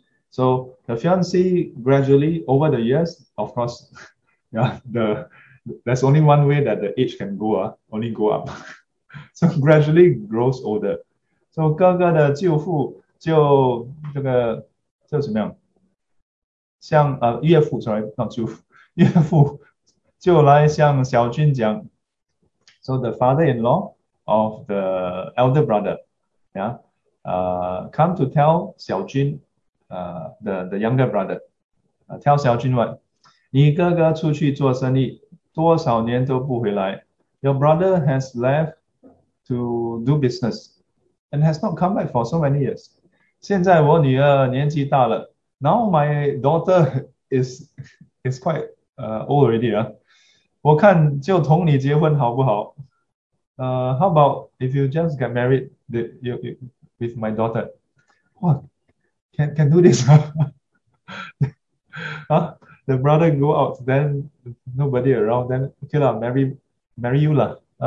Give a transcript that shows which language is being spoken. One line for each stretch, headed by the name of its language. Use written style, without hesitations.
English: So the fiancé gradually over the years, of course, there's only one way that the age can go, only go up. So gradually grows older.
Chinese: So 哥哥的舅父就这个叫什么样？像岳父，sorry，那舅父，岳父就来向小军讲。
English: So the father-in-law of the elder brother, come to tell 小军。 The younger brother, tell 小军 what?
Chinese: 你哥哥出去做生意多少年都不回来。
English: Your brother has left to do business and has not come back for so many years.
Chinese: 现在我女儿年纪大了，
English: Now my daughter is quite old already 啊。
Chinese: 我看就同你结婚好不好？
English: How about if you just get married with my daughter? What? Can do this. The brother go out, then nobody around, then okay lah, marry you lah.